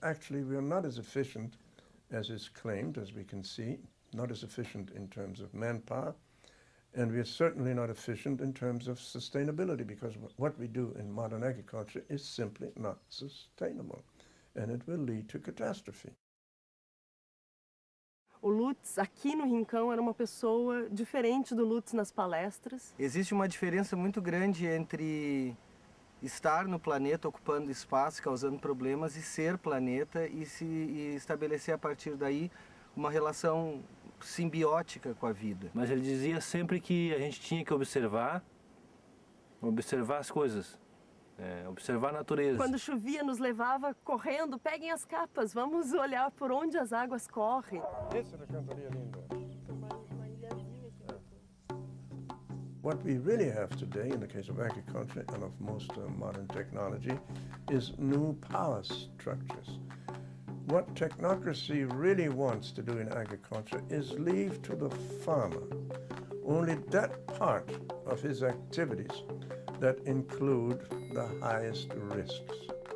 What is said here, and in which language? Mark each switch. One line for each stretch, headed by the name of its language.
English: Actually, we are not as efficient as is claimed, as we can see, not as efficient in terms of manpower, and we are certainly not efficient in terms of sustainability, because what we do in modern agriculture is simply not sustainable, and it will lead to catastrophe.
Portuguese: O Lutz, aqui no Rincão, era uma pessoa diferente do Lutz nas palestras. Existe uma diferença muito grande entre estar no planeta ocupando espaço, causando problemas, e ser planeta e estabelecer a partir daí uma relação simbiótica com a vida. Mas ele dizia sempre que a gente tinha que observar as coisas, observar a natureza. Quando chovia, nos levava correndo, peguem as capas, vamos olhar por onde as águas correm. Essa é uma cantoria linda.
English: What we really have today in the case of agriculture and of most modern technology is new power structures. What technocracy really wants to do in agriculture is leave to the farmer only that part of his activities that include the highest risks.